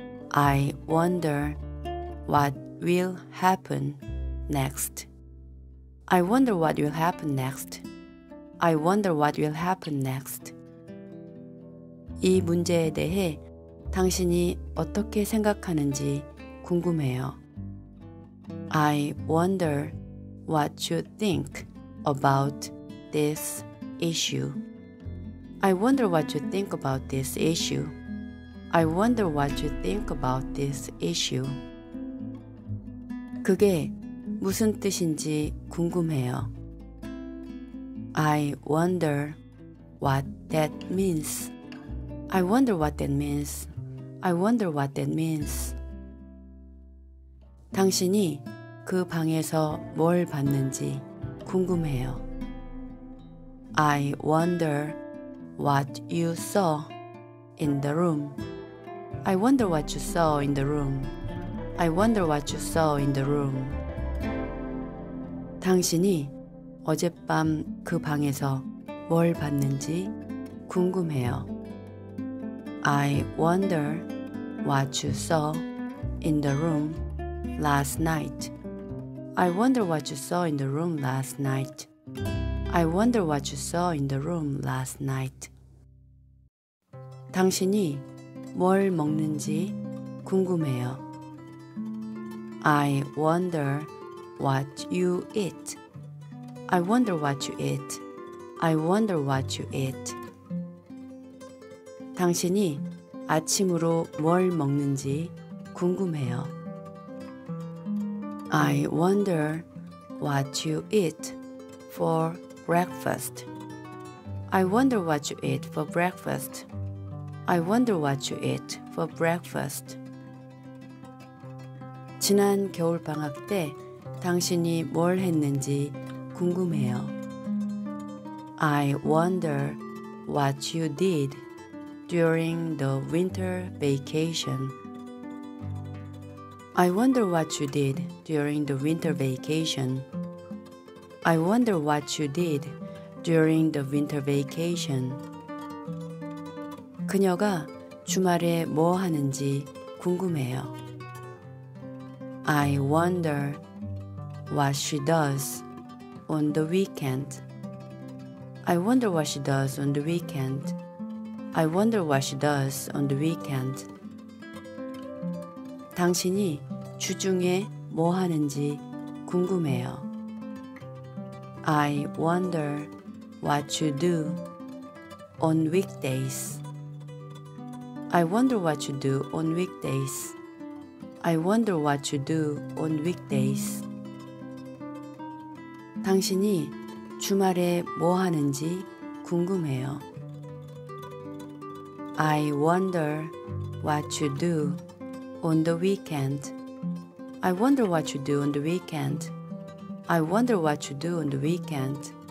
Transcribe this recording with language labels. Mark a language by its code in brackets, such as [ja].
[en] I wonder what will happen next. I wonder what will happen next. I wonder what will happen next. [ko] 이 문제에 대해 당신이 어떻게 생각하는지 궁금해요. [en] I wonder what you think about this issue. I wonder what you think about this issue. I wonder what you think about this issue. [ko] 그게 무슨 뜻인지 궁금해요. [en] I wonder what that means. I wonder what that means. I wonder what that means. [ko] 당신이 그 방에서 뭘 봤는지 궁금해요. [en] I wonder what you saw in the room. I wonder what you saw in the room. I wonder what you saw in the room. [ko] 당신이 어젯밤 그 방에서 뭘 봤는지 궁금해요. [en] I wonder what you saw in the room last night. I wonder what you saw in the room last night. I wonder what you saw in the room last night. [ko] 당신이 뭘 먹는지 궁금해요. [en] I wonder what you eat. I wonder what you eat. I wonder what you eat. [ko] 당신이 아침으로 뭘 먹는지 궁금해요. [en] I wonder what you eat for breakfast. I wonder what you eat for breakfast. I wonder what you eat for breakfast. [ko] 지난 겨울 방학 때 당신이 뭘 했는지 궁금해요. [en] I wonder what you did during the winter vacation. I wonder what you did during the winter vacation. I wonder what you did during the winter vacation. [ko] 그녀가 주말에 뭐 하는지 궁금해요. [en] I wonder what she does on the weekend. I wonder what she does on the weekend. I wonder what she does on the weekend. [ko] 당신이 주중에 뭐 하는지 궁금해요. [en] I wonder what you do on weekdays. I wonder what you do on weekdays. I wonder what you do on weekdays. [ko] 당신이 주말에 뭐 하는지 궁금해요. [en] I wonder what you do on the weekend. I wonder what you do on the weekend. I wonder what you do on the weekend.